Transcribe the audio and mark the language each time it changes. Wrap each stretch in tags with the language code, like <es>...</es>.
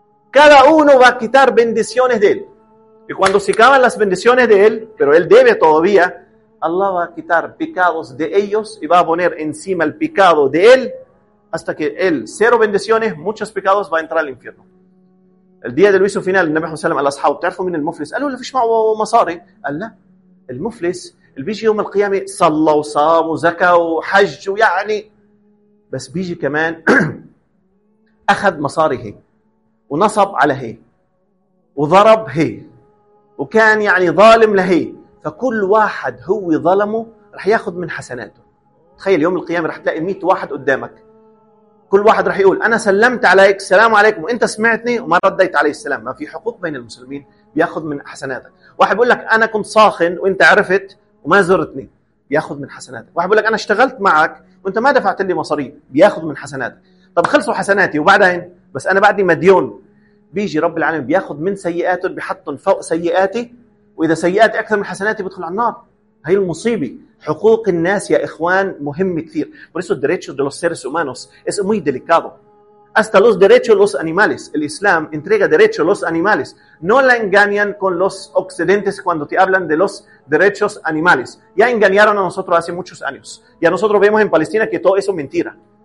<es>Cada uno va a quitar bendiciones de él. Y cuando se acaban las bendiciones de él, pero él debe todavía, Allah va a quitar pecados de ellos y va a poner encima el pecado de él hasta que él, cero bendiciones, muchos pecados, va a entrar al infierno. El día del juicio final, el Nabi Muhammad sallallahu alaihi wasallam, ¿te acuerdas del muflis?</es> <ar>Alá, ¿fish ma'o masari? Alá, el muflis, اللي بيجي يوم القيامة صلى وصام وزكى وحج ويعني، بس بيجي كمان أخذ مصاري هي ونصب على هي وضرب هي وكان يعني ظالم لهي، فكل واحد هو ظلمه رح ياخذ من حسناته. تخيل يوم القيامة رح تلاقي 100 واحد قدامك، كل واحد رح يقول أنا سلمت عليك السلام عليكم وإنت سمعتني وما رديت عليه السلام، ما في حقوق بين المسلمين، بياخذ من حسناتك. واحد بيقول لك أنا كنت ساخن وإنت عرفت وما زرتني، بياخذ من حسناتك. واحد بقول لك انا اشتغلت معك وانت ما دفعت لي مصاري، بياخذ من حسناتك. طب خلصوا حسناتي وبعدين، بس انا بعدني مديون. بيجي رب العالمين بياخذ من سيئاته، بيحطهم فوق سيئاتي، واذا سيئاتي اكثر من حسناتي بدخل على النار. هي المصيبه. حقوق الناس يا اخوان مهم كثير.</ar> <es>Por eso derechos de los seres humanos es muy delicado. Hasta los derechos de los animales. El Islam entrega derechos a los animales. No la engañan con los occidentales cuando te hablan de los derechos animales. Ya engañaron a nosotros hace muchos años. Y a nosotros vemos en Palestina que todo eso es mentira.</es>